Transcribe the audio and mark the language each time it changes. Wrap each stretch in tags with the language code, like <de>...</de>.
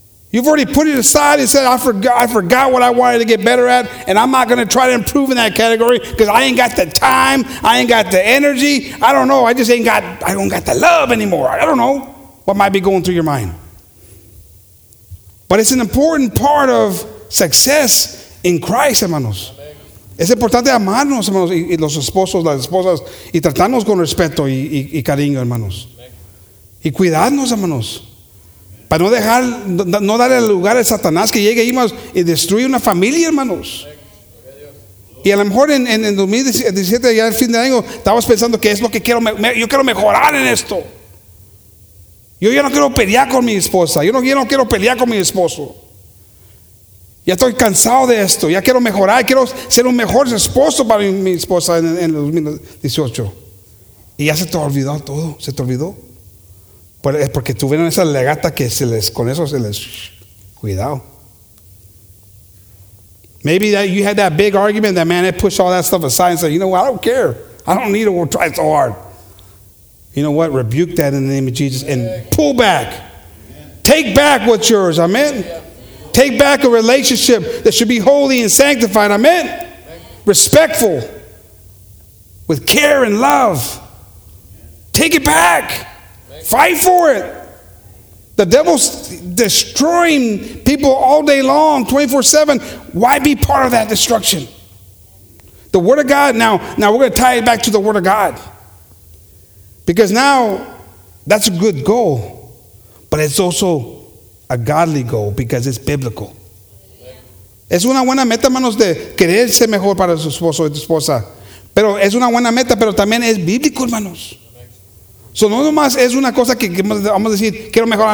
<en>You've already put it aside and said, I forgot what I wanted to get better at, and I'm not going to try to improve in that category because I ain't got the time, I ain't got the energy, I don't know, I don't got the love anymore. I don't know what might be going through your mind. But it's an important part of success in Christ, hermanos.</en> <es>Es importante amarnos, hermanos, y los esposos, las esposas, y tratarnos con respeto y cariño, hermanos. Y cuidarnos, hermanos. Para no dejar, no darle lugar a Satanás que llegue ahí y destruye una familia, hermanos. Y a lo mejor en 2017, ya al fin de año, estabas pensando que es lo que quiero, yo quiero mejorar en esto. Yo ya no quiero pelear con mi esposa, yo no quiero pelear con mi esposo. Ya estoy cansado de esto, ya quiero mejorar, quiero ser un mejor esposo para mi esposa en 2018. Y ya se te olvidó todo, se te olvidó. Porque tuvieron esa legata que se les, con eso se les, cuidado.</es> <en>Maybe that you had that big argument that, man, it pushed all that stuff aside and said, you know what, I don't care. I don't need to try so hard. You know what, rebuke that in the name of Jesus and pull back. Take back what's yours, amen. Take back a relationship that should be holy and sanctified, amen. Respectful, with care and love. Take it back. Fight for it. The devil's destroying people all day long, 24/7. Why be part of that destruction? The word of God, now we're going to tie it back to the word of God. Because now, that's a good goal. But it's also a godly goal because it's biblical.</en> <es>Es una buena meta, hermanos, de querer ser mejor para su esposo y su esposa. Pero es una buena meta, pero también es bíblico, hermanos. So no nomás es una cosa que vamos a decir, quiero mejorar.</es>